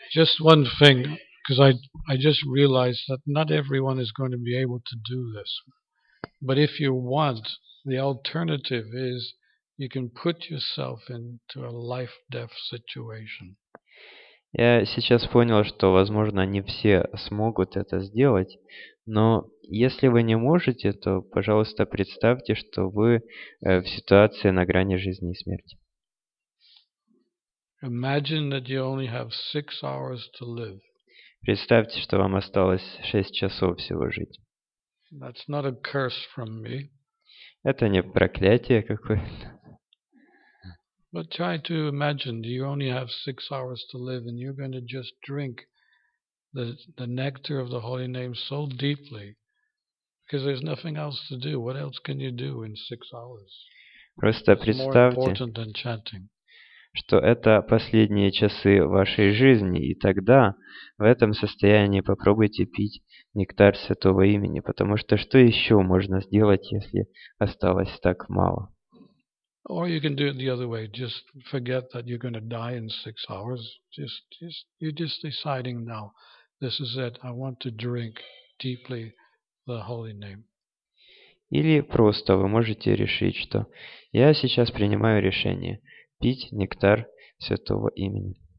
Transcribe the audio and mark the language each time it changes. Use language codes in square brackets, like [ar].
[en] Just one thing, because I just realized that not everyone is going to be able to do this. But if you want, the alternative is you can put yourself into a life-death situation. [ru] Я сейчас понял, что, возможно, не все смогут это сделать, но если вы не можете, то, пожалуйста, представьте, что вы в ситуации на грани жизни и смерти. [en] Imagine that you only have 6 hours to live. [ru] Представьте, что вам осталось 6 часов всего жить. [en] That's not a curse from me. [ru] Это не проклятие какое-то. [en] But try to imagine you only have 6 hours to live and you're going to just drink the nectar of the holy name so deeply because there's nothing else to do. What else can you do in 6 hours? [ru] Просто представьте, [en] more important than chanting. [ru] Что это последние часы вашей жизни, и тогда в этом состоянии попробуйте пить нектар святого имени, потому что что еще можно сделать, если осталось так мало? [en] Or you can do it the other way. Just forget that you're going to die in 6 hours. Just you're just deciding now. This is it. I want to drink deeply the holy name. [ru] Или просто вы можете решить, что я сейчас принимаю решение пить нектар святого имени.